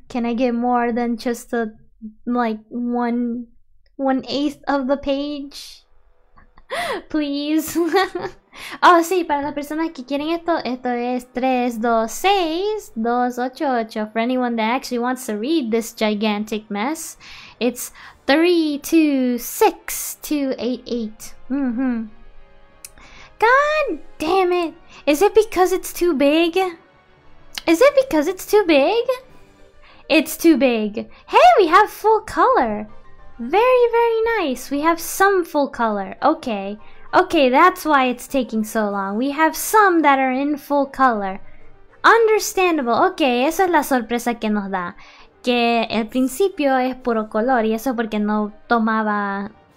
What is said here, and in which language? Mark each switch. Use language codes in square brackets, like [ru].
[en] Can I get more than just a like one eighth of the page? Please. [es] Oh, sí, para las personas que quieren esto, esto es 3, 2, 6, 2, 8, 8. [en] For anyone that actually wants to read this gigantic mess, it's 3, 2, 6, 2, 8, 8. Mm-hmm. God damn it! Is it because it's too big? Is it because it's too big? It's too big. Hey, we have full color! Very, very nice. We have some full color. Okay. Okay, that's why it's taking so long. We have some that are in full color. Understandable. [es] Okay, esa es la sorpresa que nos da. Que al principio es puro color y eso porque no tomaba...